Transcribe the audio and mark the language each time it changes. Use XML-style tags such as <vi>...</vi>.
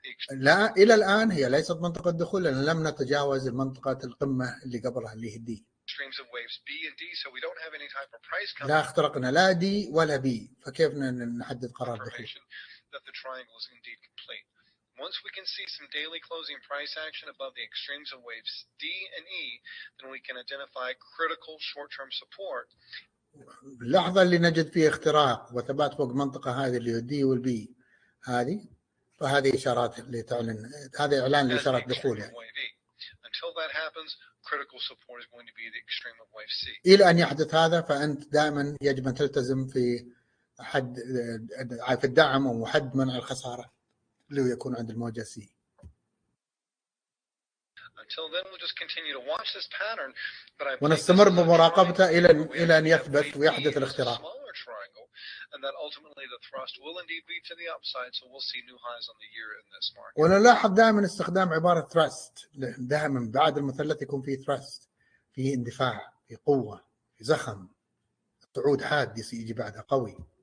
<ar>لا، إلى الآن هي ليست منطقة دخول لأن لم نتجاوز المنطقة القمة اللي قبلها اللي هي D.</ar> <en>Streams of waves B and D, so we don't have any type of price coming.</en> <ar>لا اخترقنا لا D ولا B، فكيف نحدد قرار دخول؟</ar> <en>That the triangle is indeed complete. Once we can see some daily closing price action above the extremes of waves D and E, then we can identify critical short-term support.</en> <ar>اللحظة اللي نجد فيها اختراق وثبات فوق منطقة هذه اللي هو D والB هذه، فهذه إشارات اللي تعلن، هذا إعلان لإشارات دخول يعني.</ar> <en>Until that happens, critical support is going to be the extreme of wave C.</en> <ar>إلى أن يحدث هذا فأنت دائما يجب أن تلتزم في حد في الدعم وحد منع الخسارة اللي يكون عند الموجة C.</ar> <en>Until then, we'll just continue to watch this pattern.</en> <ar>ونستمر بمراقبته إلى أن يثبت ويحدث الاختراق.</ar> <en>And that ultimately the thrust will indeed be to the upside, so we'll see new highs on the year in this market.</en> <ar>ونلاحظ دائما استخدام عبارة thrust، دائما بعد المثلث يكون فيه thrust، فيه اندفاع، فيه قوة، فيه زخم، صعود حاد يجي بعدها قوي.</ar>